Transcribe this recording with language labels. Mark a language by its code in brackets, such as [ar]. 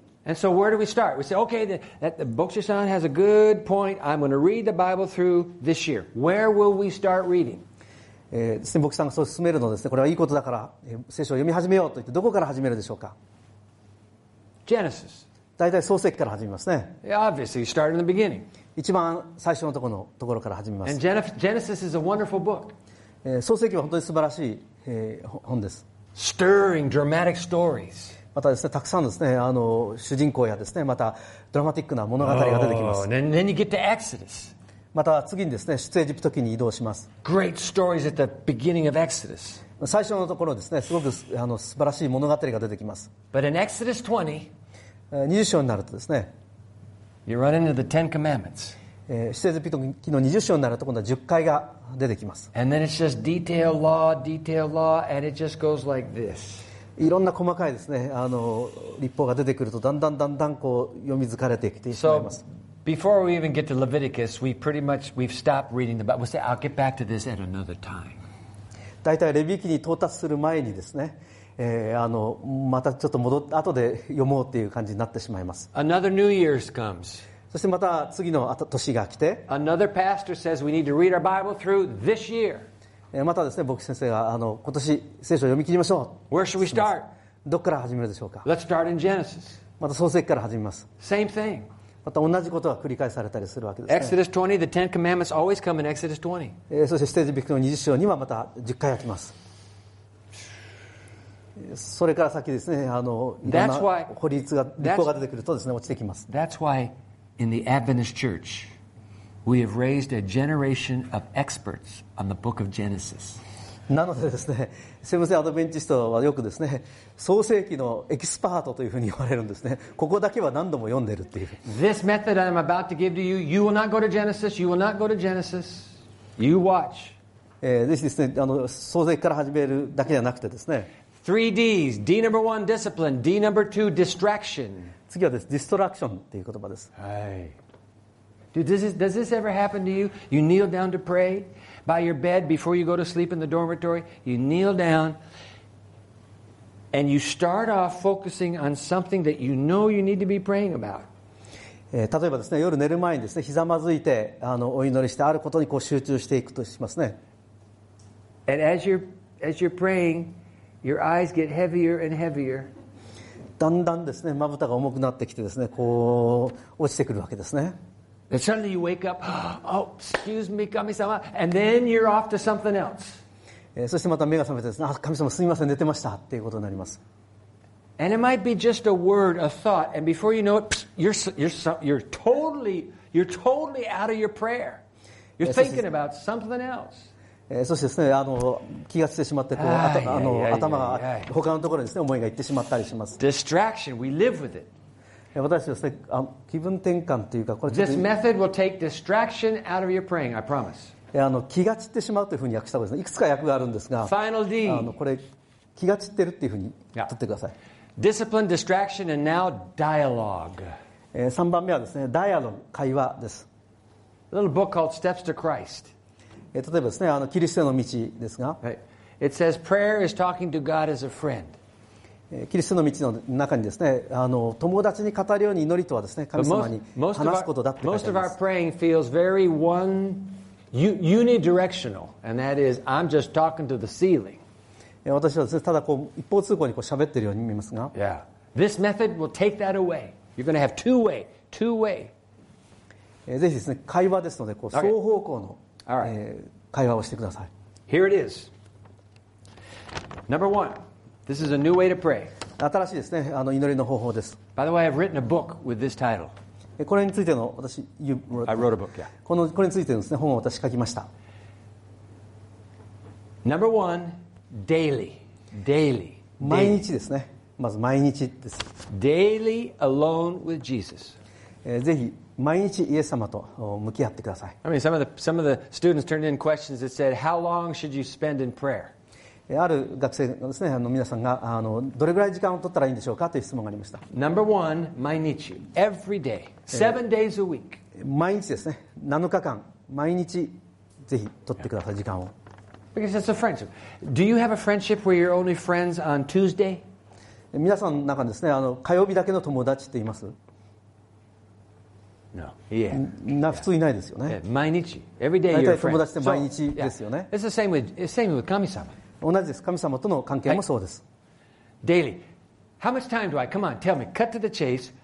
[en] And so where do we start? We say, okay, the Bokushi-san has a good point. I'm going to read the Bible through this year. Where will we start reading? [ja] ですね、牧師さんがそう勧めるのですね、これはいいことだから、聖書を読み始めようと言って、どこから始めるでしょうか? [en] Genesis. [ja] 大体創世記から始めますね。 [en] Obviously, you start in the beginning. [ja] 一番最初のところから始めます。 [en] And Genesis is a wonderful book. [ja] 創世記は本当に素晴らしい、本です。 [en] Stirring, dramatic stories. [ja] またですね、たくさんですね、主人公やですね、またドラマティックな物語が出てきます。 [en] Oh, and then you get to Exodus. [ja] また次にですね、出エジプト記に移動します。 [en] Great stories at the beginning of Exodus. [ja] 最初のところですね、すごく素晴らしい物語が出てきます。 [en] But in Exodus 20. [ja] 20章になるとですね、 [en] You run into the Ten Commandments. [ja] 出エジプト記の20章になると今度は10戒が出てきます。 [en] And then it's just detail law, detail law, and it just goes like this. [ja] いろんな細かいですね、立法が出てくるとだんだんだんだんこう読み疲れてきてしまいます。 [en] So before we even get to Leviticus, we pretty much we've stopped reading the Bible. We'll say, I'll get back to this at another time. [ja] だいたいレビ記に到達する前にですね。またちょっと戻っ後で読もうという感じになってしまいます。 [en] Another New Year's comes. [ja] そしてまた次の年が来て。 [en] Another pastor says we need to read our Bible through this year. [ja] またですね、牧師先生が今年聖書を読み切りましょう。 [en] Where should we start? [ja] どこから始めるでしょうか。 [en] Let's start in Genesis. [ja] また創世記から始めます。 [en] Same thing. [ja] また同じことが繰り返されたりするわけですね。 [en] Exodus 20, the Ten Commandments always come in Exodus 20. [ja] そして出エジプト記の20章にはまた10回が来ます。それから先ですね、いろんな法律が立法が出てくるとですね、落ちてきます。 [en] That's why in the Adventist Church we have raised a generation of experts on the Book of Genesis. [ja] なのでですね、セブンセイアドベンチストはよくですね、創世記のエキスパートというふうに言われるんですね。ここだけは何度も読んでるっていう。 [en] This method I'm about to give to you, you will not go to Genesis. You will not go to Genesis. You watch. [ja] ぜひですね、創世記から始めるだけじゃなくてですね。 [en] Three D's. D number one, discipline. D number two, distraction. [ja] 次はです。Distraction っていう言葉です。はい。 [en] Dude, does this ever happen to you? You kneel down to pray by your bed before you go to sleep in the dormitory. You kneel down and you start off focusing on something that you know you need to be praying about. [ja] 例えばですね、夜寝る前にですね、ひざまずいてお祈りしてあることにこう集中していくとしますね。 [en] And as you're praying, your eyes get heavier and heavier. [ja] だんだんですね、まぶたが重くなってきてですね、こう落ちてくるわけですね。 [en] And suddenly you wake up, oh, excuse me, 神様、and then you're off to something else. [ja] そしてまた目が覚めてですね、あ、神様すみません、寝てましたっていうことになります。 [en] And it might be just a word, a thought, and before you know it, you're totally out of your prayer. You're thinking about something else. [ja] そしてですね、気がついてしまってこう、頭が他のところにですね、思いがいってしまったりします。 [en] Distraction. We live with it. [ja] 私はですね、気分転換というかこれ。 [en] This method will take distraction out of your praying. I promise. [ja] 気が散ってしまうというふうに訳したことですね。いくつか訳があるんですが。 [en] Final D. [ja] これ気が散ってるっていうふうに取ってください。 [en] Yeah. Discipline, distraction, and now dialogue. [ja] 3番目はですね、ダイアログ、会話です。 [en] A little book called Steps to Christ. [ja] 例えばですね、キリストの道ですが。 [en] Right. It says prayer is talking to God as a friend. [ja] キリストの道の中にですね、友達に語るように祈りとはですね、神様に話すことだって書いてあります。 [en] Most of our praying feels very one unidirectional, and that is, I'm just talking to the ceiling. [ja] 私はですね、ただこう一方通行にこう喋っているように見えますが、 [en] yeah. This method will take that away. You're going to have two way. [ja] ぜひですね、会話ですのでこう双方向の、 [en] okay. [ja] 会話をしてください。 [en] Here it is. Number one, this is a new way to pray. [ja] 新しいですね、祈りの方法です。 [en] By the way, I've written a book with this title. [ja] これについての私、 [en] I wrote a book. Yeah. [ja] これについてのですね、本を私書きました。 [en] Number one. Daily. [ja] 毎日ですね。まず毎日です。 [en] Daily alone with Jesus. [ja] ぜひ毎日イエス様と向き合ってください。 [en] I mean, some of the students turned in questions that said, how long should you spend in prayer? [ja] ある学生のですね、皆さんがどれぐらい時間を取ったらいいんでしょうかという質問がありました。 [en] Number one, [ja] 毎日。 [en] Every day. Seven days a week. [ja] 毎日ですね。7日間。毎日ぜひ取ってください、時間を。 [en] Because it's a friendship. Do you have a friendship where you're only friends on Tuesday? [ja] 皆さんの中にですね、火曜日だけの友達っています？ [en] No. Yeah. [ja] 普通いないですよね。毎日。 [en] Every day you're friends. [ja] 友達って毎日ですよね。 [en] It's the same with, same with 神様。 [ja] 同じです。神様との関係もそうです。 [en] Daily. How much time do I? Come on, tell me. Cut to the chase.